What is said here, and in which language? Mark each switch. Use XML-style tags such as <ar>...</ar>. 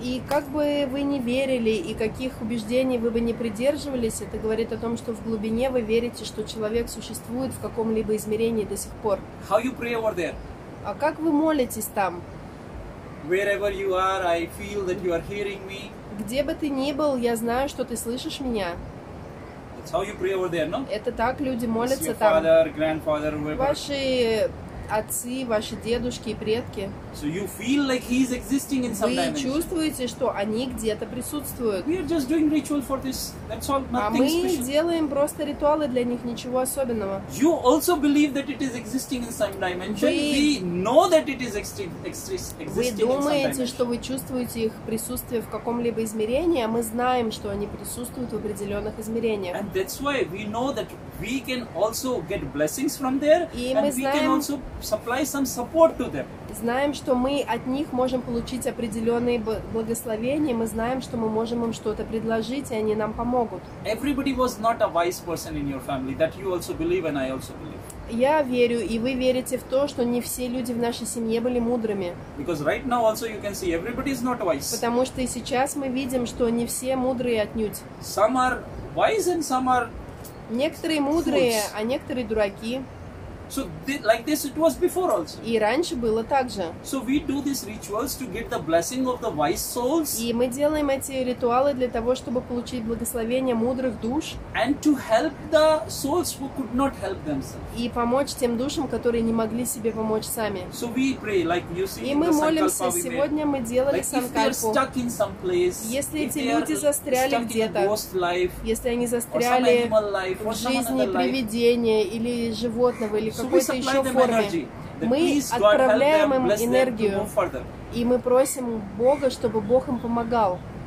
<ru>И как бы вы ни верили и каких убеждений вы бы не придерживались, это говорит о том, что в глубине вы верите, что человек существует в каком-либо измерении до сих пор.</ru> <en>How you pray over there?</en> <ru>А как вы молитесь там?</ru> <en>Wherever you are, I feel that you are hearing me.</en> <ru>Где бы ты ни был, я знаю, что ты слышишь меня.</ru> <en>That's how you pray over there, no?</en> <ru>Это так люди молятся там.</ru> <en>Your father, grandfather, whoever.</en> <ru>Ваши отцы, ваши дедушки и предки.</ru> <en>So you feel like he's existing in some dimension.</en> <ru>Вы чувствуете, что они где-то присутствуют.</ru> <en>We are just doing ritual for this. That's all. Nothing special.</en> <ru>А мы делаем просто ритуалы для них, ничего особенного.</ru> <en>You also believe that it is existing in some dimension. We know that it is existing.</en> <ru>Вы думаете, что вы чувствуете их присутствие в каком-либо измерении, а мы знаем, что они присутствуют в определенных измерениях.</ru> <en>And that's why we know that we can also get blessings from there,</en> <ru>и</ru> <en>and</en> <ru>знаем,</ru> <en>we can also supply some support to them.</en> <ru>Знаем, что мы от них можем получить определенные благословения, мы знаем, что мы можем им что-то предложить, и они нам помогут.</ru> <en>Everybody was not a wise person in your family, that you also believe and I also believe.</en> <ru>Я верю, и вы верите в то, что не все люди в нашей семье были мудрыми.</ru> <en>Because right now also you can see everybody's not wise.</en> <ru>Потому что и сейчас мы видим, что не все мудрые отнюдь.</ru> <en>Some are wise and some are fools.</en> <ru>Некоторые мудрые, а некоторые дураки.</ru> <en>So like this it was before also.</en> <ru>И раньше было так же.</ru> <en>So we do these rituals to get the blessing of the wise souls.</en> <ru>И мы делаем эти ритуалы для того, чтобы получить благословение мудрых душ.</ru> <en>And to help the souls who could not help themselves.</en> <ru>И помочь тем душам, которые не могли себе помочь сами.</ru> <en>So we pray like you see.</en> <ru>И мы молимся. Сегодня мы делали</ru> <en>санкальпу. Like if they're stuck in some place.</en> <ru>Если эти люди застряли где-то.</ru> <en>Ghost life,</en> <ru>если они застряли</ru> <en>life,</en> <ru>в жизни привидения или животного или какой-то еще форме, мы отправляем им энергию, и мы просим Бога, чтобы Бог им помогал.</ru>